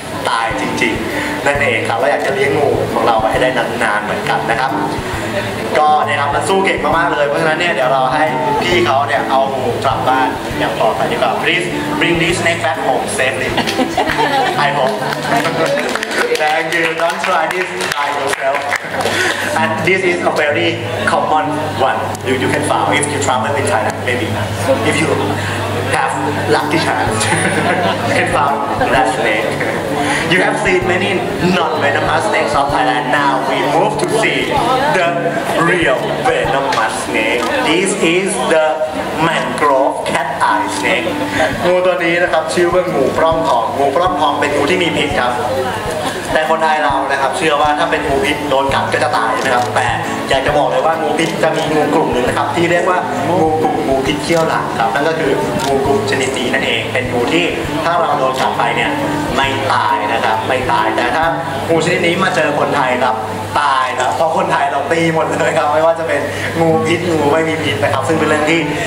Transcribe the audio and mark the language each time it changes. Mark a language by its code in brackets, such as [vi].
[th] ตายจริงๆนั่นเองครับเราอยากจะเลี้ยงงูของเราให้ได้นานๆเหมือนกันนะครับก็เนี่ยครับมันสู้เก่งมากๆเลยเพราะฉะนั้นเนี่ยเดี๋ยวเราให้พี่เขาเนี่ยเอางูกลับบ้านอย่างปลอดภัยดีกว่า [en] please bring this snake back home safely I hope thank you don't try this by yourself and this is a very common one you can find if you travel in China maybe if youLucky chance. You can find that snake. You have seen many non-venomous snakes of Thailand. Now we move to see the real venomous snake. This is the mangrove cat eye snake. [th] งูตัวนี้นะครับชื่อว่างูปล้องทองงูปล้องทองเป็นงูที่มีพิษครับแต่คนไทยเรานะครับเชื่อว่าถ้าเป็นงูพิษโดนกัดก็จะตายนะครับแต่อยากจะบอกเลยว่างูพิษจะมีงูกลุ่มหนึ่งนะครับที่เรียกว่างูกลุ่มงูพิษเขี้ยวหลังครับนั่นก็คืองูกลุ่มชนิดนี้นั่นเองเป็นงูที่ถ้าเราโดนกัดไปเนี่ยไม่ตายนะครับไม่ตายแต่ถ้างูชนิดนี้มาเจอคนไทยครับตายครับเพราะคนไทยเราตีหมดเลยครับไม่ว่าจะเป็นงูพิษงูไม่มีพิษนะครับซึ่งเป็นเรื่องที่